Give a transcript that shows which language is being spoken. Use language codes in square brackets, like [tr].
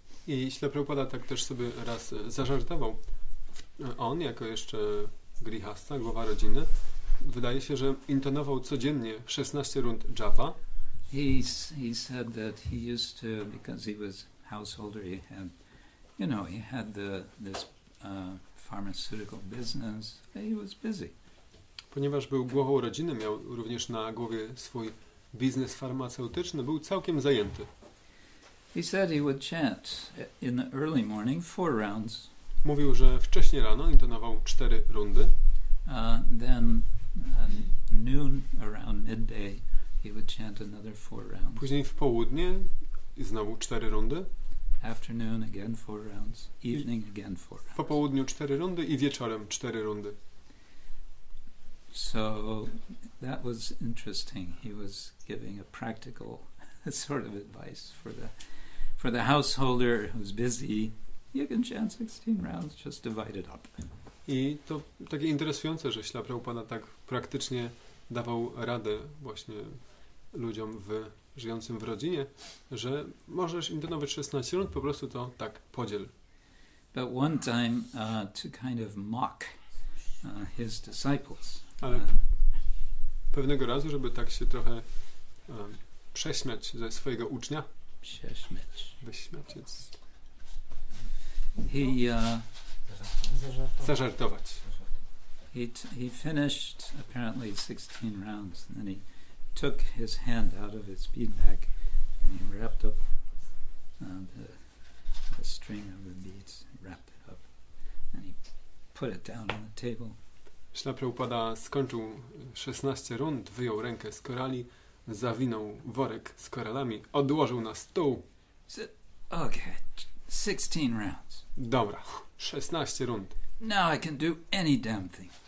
[pl] I Śla Prabhupada tak też sobie raz zażartował. On, jako jeszcze grihasta, głowa rodziny, wydaje się, że intonował codziennie 16 rund japa. [en] He said that he used to, because he was householder, he had, you know, he had this pharmaceutical business. He was busy. [pl] Ponieważ był głową rodziny, miał również na głowie swój biznes farmaceutyczny, był całkiem zajęty. [en] He said he would chant in the early morning four rounds. [pl] Mówił, że wcześniej rano intonował cztery rundy. [en] Then noon around midday he would chant another four rounds. [pl] Później w południe i znowu cztery rundy. [en] Afternoon again four rounds. Evening again four rounds. [pl] Po południu cztery rundy i wieczorem cztery rundy. [en] So that was interesting. He was giving a practical sort of advice for the householder who's busy. You can chant 16 rounds, just divide it up. [pl] I to takie interesujące, że Śla Prabhupada tak praktycznie dawał radę właśnie ludziom żyjącym w rodzinie, że możesz intonować 16 rund, po prostu to tak podziel. [en] But one time to kind of mock his disciples. [pl] Ale pewnego razu, żeby tak się trochę prześmiać ze swojego ucznia. Prześmiać. Wyśmiać jest. Zażartować. [en] He finished apparently 16 rounds and then he took his hand out of its beadbag and he wrapped up the string of the beads, wrapped it up and he put it down on the table. [pl] Śla Prabhupada skończył 16 rund, wyjął rękę z korali, zawinął worek z koralami, odłożył na stół. [en] Okay, 16 rounds. [pl] Dobra, 16 rund. [en] Now I can do any damn thing.